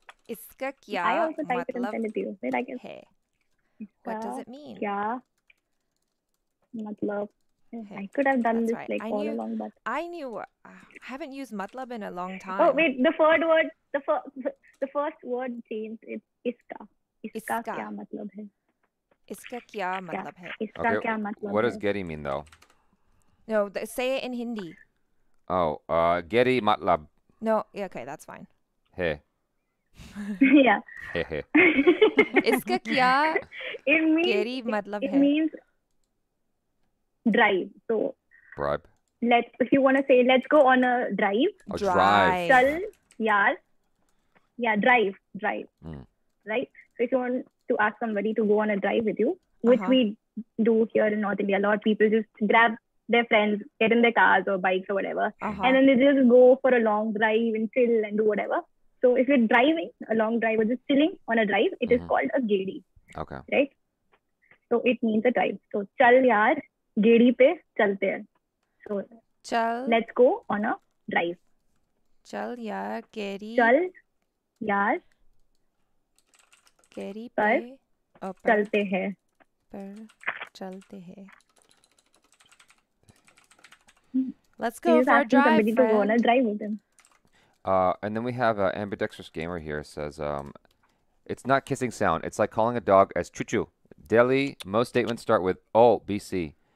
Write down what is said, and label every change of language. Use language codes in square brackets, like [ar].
[hi] इसका क्या मतलब है? [en] What does it mean? [hi] Kya matlab. [en] I could have done I haven't used matlab in a long time. Oh wait, the first word changed. It's [hi] iska kya matlab hai. इसका क्या मतलब है. Iska okay, kya matlab [en] what does Gedi mean though? No, say it in Hindi. [hi] Oh, Gedi matlab. [en] No, yeah, okay, that's fine. Hey. Yeah. Hey. [hi] इसका क्या गेडी मतलब है. [en] It means drive. So bribe. If you want to say, let's go on a drive. A drive. [hi] Chal, yaar. [en] Yeah, drive. Mm. Right? So if you want to ask somebody to go on a drive with you, which we do here in North India, a lot of people just grab their friends, get in their cars or bikes or whatever. Uh-huh. And then they just go for a long drive and chill and do whatever. So if you're driving, a long drive or just chilling on a drive, it is called a gedi. Okay. Right? So it means a drive. So [hi] chal, yaar. Gedi pe chalte hain. So, chal. [en] Let's go on a drive. [hi] चल यार गेडी. Chal yaar गेडी पे chalte hain. पर चलते हैं. [en] Let's go for a drive. To go on a drive with him. And then we have an ambidextrous gamer here says, it's not kissing sound. It's like calling a dog as choo choo. Delhi, most statements start with oh, BC.